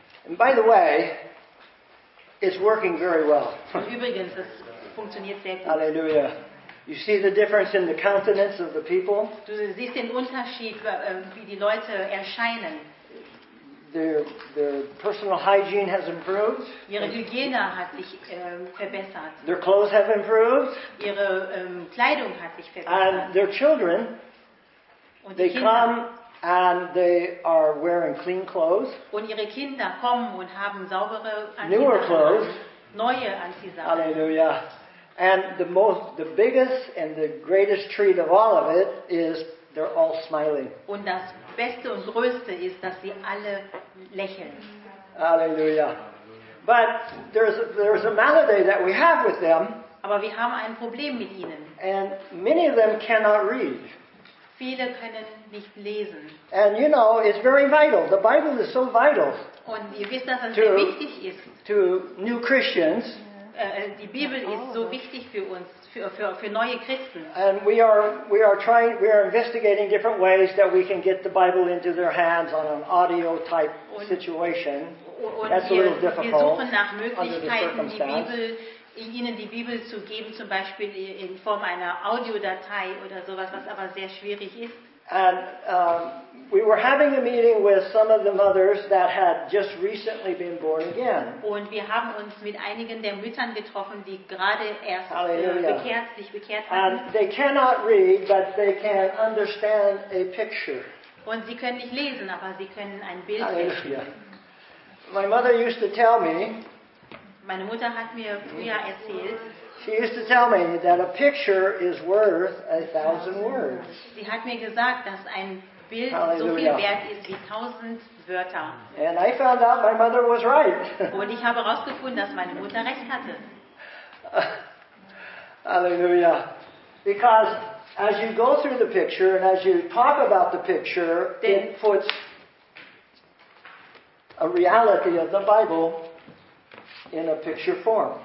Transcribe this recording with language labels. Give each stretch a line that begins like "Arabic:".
English: And by the way, it's working very well.
German: Und übrigens, es funktioniert sehr gut. Halleluja.
English: You see the difference in the countenance of the people?
German: Du siehst den Unterschied, wie die Leute erscheinen.
English: Their personal hygiene has improved.
German: Ihre Hygiene hat sich verbessert.
English: Their clothes have improved.
German: Ihre Kleidung hat sich verbessert.
English: And their children,
German: und
English: they
German: Kinder,
English: come and they are wearing clean clothes.
German: Und ihre Kinder kommen und haben saubere Anziehsachen.
English: Newer clothes.
German: Neue Anziehsachen. Halleluja.
English: And the biggest and the greatest treat of all of it is they're all smiling.
German: Und das Beste und Größte ist, dass sie alle lächeln. Halleluja.
English: But there's a malady that we have with them.
German: Aber wir haben ein Problem mit ihnen.
English: And many of them cannot read.
German: Viele können nicht lesen.
English: And you know, it's very vital. The Bible is so vital.
German: Und ihr wisst, dass es sehr wichtig ist.
English: To new Christians.
German: Die Bibel ist so wichtig für uns, für neue Christen.
English: And we are investigating different ways that we can get the Bible into their hands on an audio type situation. That's a little difficult.
German: Wir suchen nach Möglichkeiten, ihnen die Bibel zu geben, zum Beispiel in Form einer Audiodatei oder sowas, was aber sehr schwierig ist.
English: And we were having a meeting with some of the mothers that had just recently been born again.
German: Und wir haben uns mit einigen der Müttern getroffen, die gerade erst sich bekehrt haben.
English: And they cannot read, but they can understand a picture.
German: Und sie können nicht lesen, aber sie können ein Bild sehen.
English: My mother used to tell me.
German: Meine Mutter hat mir früher erzählt.
English: She used to tell me that a picture is worth 1,000 words.
German: Sie hat mir gesagt, dass ein Bild so viel wert ist wie 1,000 Wörter.
English: And I found out my mother was right.
German: Und ich habe herausgefunden, dass meine Mutter recht hatte. Halleluja.
English: Because as you go through the picture and as you talk about the picture, it puts a reality of the Bible in a picture form.